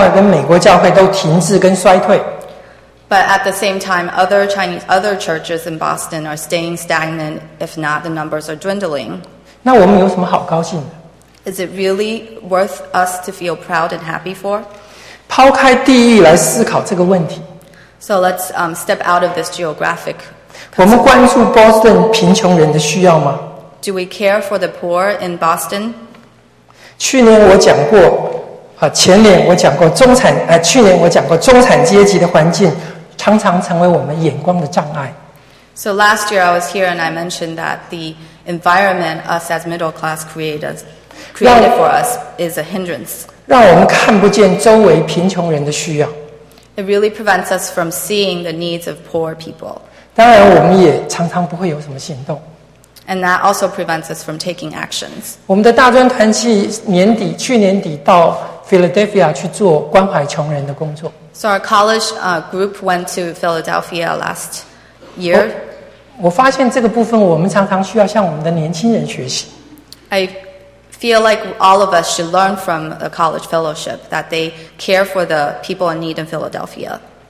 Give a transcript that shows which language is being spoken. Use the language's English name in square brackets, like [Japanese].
[Chinese] 如果同时Boston其他的华人教会跟美国教会都停滞跟衰退, [English] But at the same time, other churches in Boston are staying stagnant, if not the numbers are dwindling. [Chinese] 那我们有什么好高兴的? [English] Is it really worth us to feel proud and happy for? [Chinese] 抛开地域来思考这个问题, [English] So let's step out of this geographic [Chinese] 我们关注Boston贫穷人的需要吗? [English] Do we care for the poor in Boston? [Chinese] 去年我讲过, 前年我讲过, 中产, 去年我讲过, 中产阶级的环境, 常常成为我们眼光的障碍。 [English] So last year I was here and I mentioned that the environment us as middle class created for us is a hindrance. [Chinese] 让我们看不见周围贫穷人的需要。 [English] It really prevents us from seeing the needs of poor people. [Chinese] 当然我们也常常不会有什么行动。 [English] And that also prevents us from taking actions. [Chinese] 我们的大专团契年底, 去年底到 Philadelphia去做关怀穷人的工作。 [English] So our college group went to Philadelphia last year. [Chinese] 我发现这个部分我们常常需要向我们的年轻人学习。 [English] I feel like all of us should learn from a college fellowship that they care for the people in need in Philadelphia.